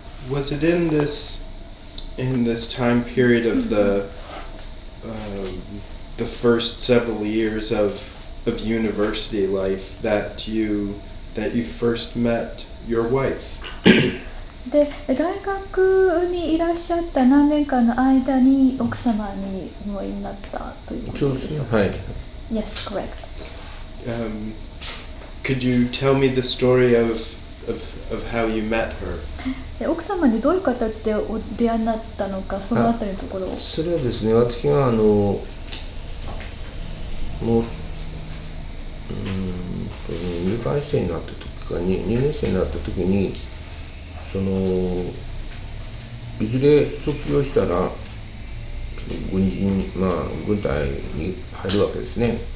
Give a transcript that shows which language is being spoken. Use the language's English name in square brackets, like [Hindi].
[English] Was it in this time period of the first several years of university life that you first met your wife? [Japanese] で大学にいらっしゃった何年間の間に奥様にお会いになったということでしょうか。はい。 [English] Yes, correct. Could you tell me the story of how you met her? [Japanese] 奥様にどういう形でお出会いになったのか、そのあたりのところを。それはですね、私がもう2回生になった時か 2年生になった時に。そのいずれ卒業したら軍人、まあ、軍隊に入るわけですね。